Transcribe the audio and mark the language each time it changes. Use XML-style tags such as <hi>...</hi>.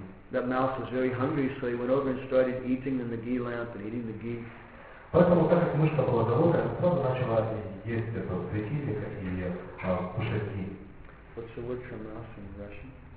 <en>That mouse was very hungry, so he went over and started eating in the ghee lamp and eating the ghee.</en> <ru>Поэтому, так как мышка была голодная, он сразу начал есть этого светильника и кушать ghee.</ru> <en>What's the word for mouse in Russian?</en>